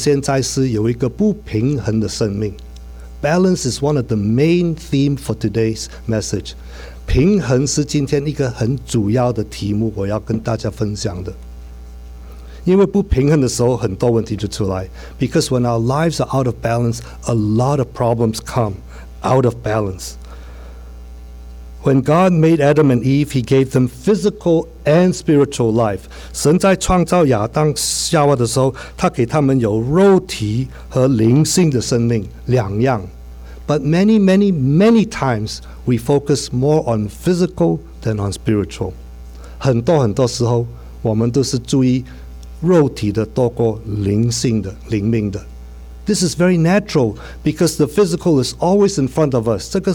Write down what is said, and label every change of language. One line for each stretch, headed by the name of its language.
Chinese: 因为我们离开了神，我们现在是有一个不平衡的生命。
English: Balance is one of the main theme for today's message.
Chinese: 平衡是今天一个很主要的题目，我要跟大家分享的。
English: Because when our lives are out of balance, a lot of problems come out of balance. When God made Adam and Eve, he gave them physical and spiritual life.
Chinese: 神在创造亚当夏娃的时候，他给他们有肉体和灵性的生命，两样。
English: But many, many, many times, we focus more on physical than on spiritual.
Chinese: 很多很多时候，我们都是注意 肉体的多过灵性的灵命的。
English: This is very natural because the physical is always in front of us.